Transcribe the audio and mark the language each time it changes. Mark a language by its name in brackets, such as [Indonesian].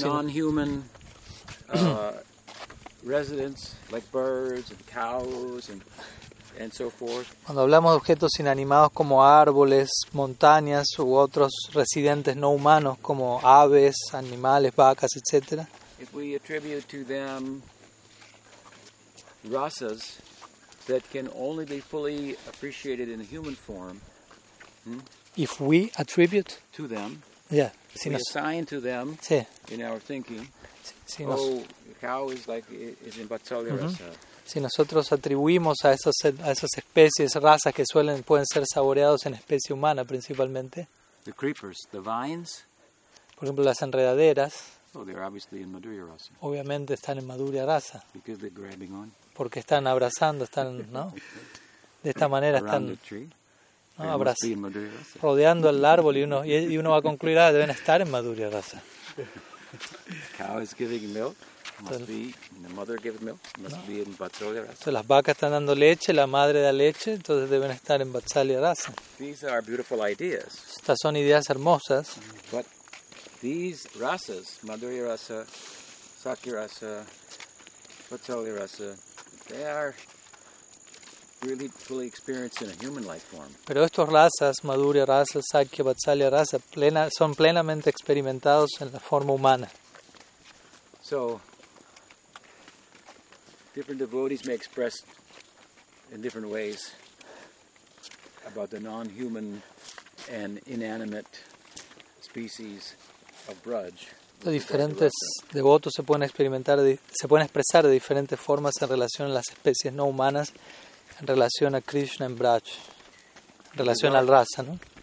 [English] or non-human residents like birds and cows and so forth, [Spanish] cuando hablamos de objetos inanimados como árboles, montañas u otros residentes no humanos como aves, animales, vacas, etc., [English] if we attribute to them rasas that can only be fully appreciated in a human form. If we attribute to them, yeah, assign to them, [Spanish] sí, [English] in our thinking, [Spanish] si nos, [English] oh, cow is like is in Vatsalya-rasa. [Spanish] Si nosotros atribuimos a esas especies, razas que pueden ser saboreados en especie humana principalmente. [English] The creepers, the vines. [Spanish] Por ejemplo, las enredaderas. [English] Oh, they're obviously in Madhurya-rasa. [Spanish] Obviamente están en Madhurya-rasa. [English] Because they're grabbing on. [Spanish] Porque están abrazando, están, ¿no? De esta manera están, ¿no? Abrazando, rodeando el árbol y uno va a concluir, ah, deben estar en Madhurya-rasa. [English] Cow is giving milk, must be, the mother gives milk, must be in Vatsalya-rasa. [Spanish] Entonces las vacas están dando leche, la madre da leche, entonces deben estar en Vatsalya-rasa. [English] These are beautiful ideas. [Spanish] Estas son ideas hermosas. [English] But these rasas, Madhurya-rasa, Sakya-rasa, Vatsalya-rasa, they are really fully experienced in a human-like form. [Spanish] Pero estos razas, Madhurya rasa, Sakya, Vatsalya rasa, son plenamente experimentados en la forma humana. [English] So, different devotees may express in different ways about the non-human and inanimate species of Brudge. [Spanish] Los diferentes devotos se pueden experimentar, se pueden expresar de diferentes formas en relación a las especies no humanas, en relación a Krishna en Braj, en relación al rasa, ¿no?